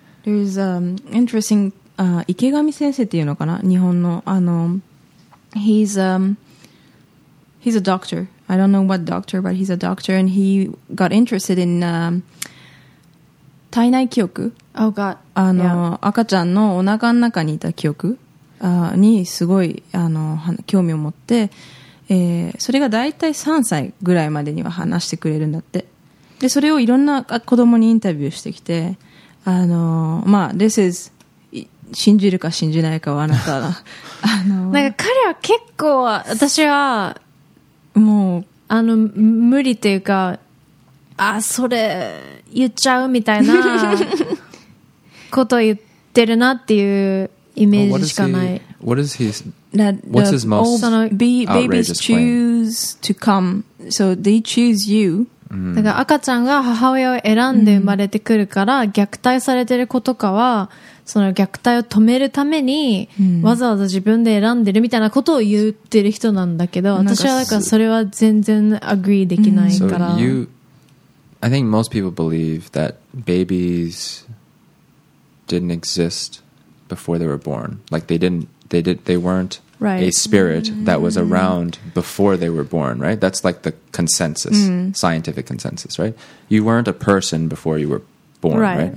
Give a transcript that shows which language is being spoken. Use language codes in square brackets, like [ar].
[en] There's an interesting... [ja] 池上先生っていうのかな、日本の、 [en] he's a doctor. I don't know what doctor, but he's a doctor, and he got interested in 体内記憶。 Oh God. あの、yeah. [ja] 赤ちゃんのお腹の中にいた記憶にすごいあの興味を持って、それが大体3歳ぐらいまでには話してくれるんだって。でそれをいろんな子供にインタビューしてきて、あの、まあ、 [en] This is [ja] 信じるか信じないかはあなたの、なんか彼は結構私はもうあの無理というか、あそれ言っちゃうみたいなことを言ってるなっていうイメージしかない。 [en] What's his most outrageous claim? Babies choose to come, so they choose you. だから赤ちゃんが母親を選んで生まれてくるから、虐待されてる子とかはその虐待を止めるためにわざわざ自分で選んでるみたいなことを言ってる人なんだけど、私はだからそれは全然アグリーできないから。 So you, I think most people believe that babies didn't exist before they were born. Like they didn't, they did, they weren't right. a spirit that was around before they were born, right? That's like the consensus, scientific consensus, right? You weren't a person before you were born, right?